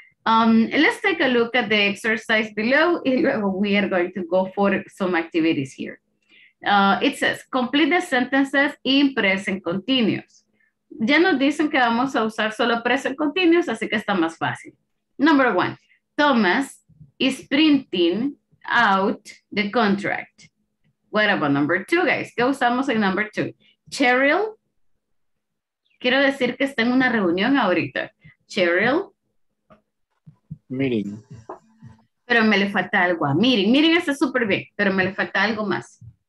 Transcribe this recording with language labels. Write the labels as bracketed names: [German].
[English] Let's take a look at the exercise below. [Spanish] Y luego [English] we are going to go for some activities here. It says, complete the sentences in present continuous. [Spanish] Ya nos dicen que vamos a usar solo present continuous, así que está más fácil. [English] Number one, Thomas is printing out the contract. What about number two, guys? [Spanish] ¿Qué usamos en [English] number two? Cheryl. [Spanish] Quiero decir que está en una reunión ahorita. Cheryl. [English] Meeting. [Spanish] Pero me le falta algo a meeting. Meeting está súper bien, pero me le falta algo más.